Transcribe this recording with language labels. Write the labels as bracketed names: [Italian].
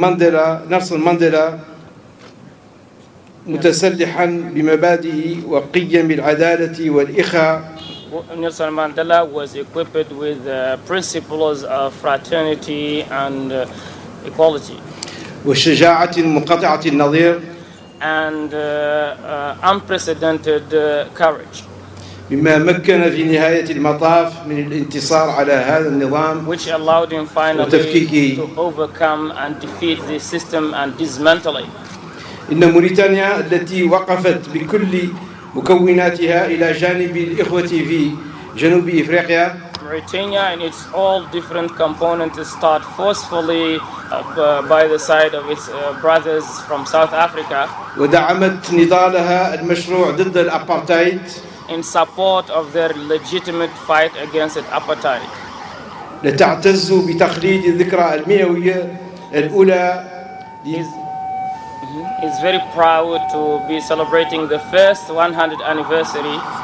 [Arabic] كان نيلسون مانديلا متسلحا بمبادئ وقيم العدالة والإخاء. [English] Nelson Mandela was equipped with the principles of fraternity and equality [Arabic] والشجاعة المنقطعة النظير [English] and unprecedented courage [Arabic] بما مكن في نهاية المطاف من الانتصار على هذا النظام [English] which allowed him finally [Arabic] وتفكيكي. [English] To overcome and defeat the system and dismantle it. [Arabic] إن موريتانيا التي وقفت بكل مكوناتها إلى جانب الإخوة في جنوب إفريقيا [English] Mauritania and its all different components stood forcefully by the side of its brothers from South Africa [Arabic] ودعمت نضالها المشروع ضد الأبارتايد [English] in support of their legitimate fight against the apartheid [Arabic] لتعتز بتخليد الذكرى المئوية الأولى [English] is very proud to be celebrating the first 100th anniversary